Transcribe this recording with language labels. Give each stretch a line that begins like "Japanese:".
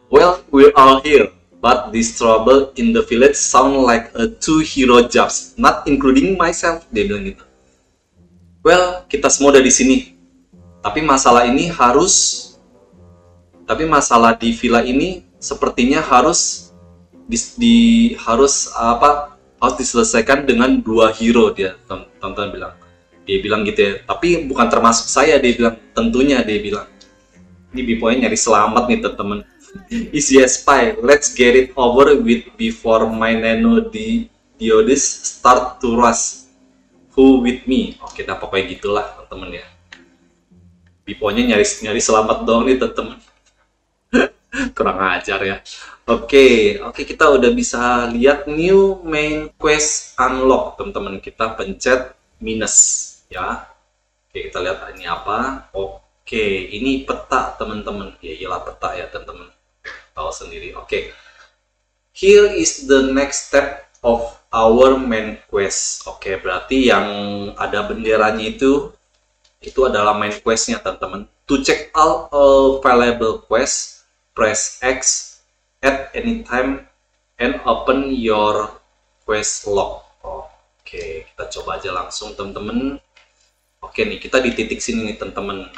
English: Well, we're all here, but this trouble in the village sound like a two hero jobs, not including myself.
Indonesian: Dia bilang gitu. Well, kita semua udah di sini. Tapi masalah di villa ini sepertinya harus diselesaikan dengan dua hero dia. Tonton bilang. Dia bilang gitu ya, tapi bukan termasuk saya, dia bilang. Tentunya dia bilang. Ini Bipo-nya nyari selamat nih temen-temen.
English: Easy as pie, let's get it over with before my nano diodes start to rust. Who with me?
Indonesian: Oke, nah pokoknya gitulah temen-temen ya. Bipo-nya nyari selamat dong nih temen-temen. Kurang ajar ya. Oke, kita udah bisa lihat
English: new main quest unlock
Indonesian: temen-temen. Kita pencet minus. Ya, oke, kita lihat ini apa. Oke, ini peta teman-teman. Ya iyalah peta ya teman-teman, tahu sendiri.
English: Oke, here is the next step of our main quest.
Indonesian: Oke, berarti yang ada benderanya itu adalah main questnya teman-teman.
English: To check all available quests, press X at any time and open your quest log.
Indonesian: Oke, kita coba aja langsung teman-teman. Oke nih, kita di titik sini nih teman-teman.